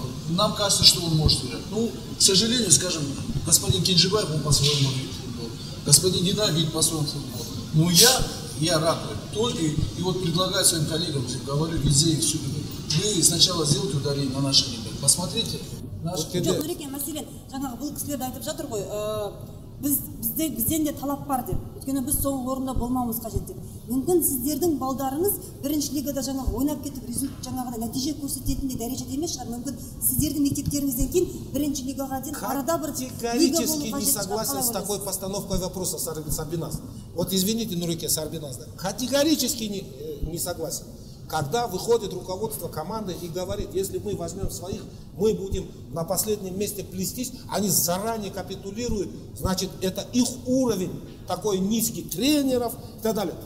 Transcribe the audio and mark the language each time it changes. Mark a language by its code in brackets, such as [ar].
[ru] Нам кажется, что он может играть. Ну, к сожалению, скажем, господин Кенжибаев, он по-своему видит футбол. Господин Дина видит по-своему футбол. Но я рад только и вот предлагаю своим коллегам, говорю везде и всюду. Вы сначала сделайте ударение на наших ребят. Посмотрите. [kk] Жоқ, Нұреке, мәселен, жаңағы бұл кісілерді айтып жатыр ғой, бізден де талап бар деп, өйткені біз соңғы орында болмауымыз қажет деп. Мүмкін сіздердің балдарыңыз бірінші лигада жаңағы ойнап кетіп, результат жаңағы нәтиже көрсететіндей дәрежеде емес шығар. Мүмкін сіздердің мектептеріңізден кейін бірінші лигаға дейін арада бір [ru] категорически не согласен с такой постановкой вопроса Сарбиназ. Вот извините, Нұреке, Сарбиназ. Категорически не согласен. Когда выходит руководство команды и говорит, если мы возьмем своих, мы будем на последнем месте плестись, они заранее капитулируют, значит, это их уровень такой низкий тренеров и так далее.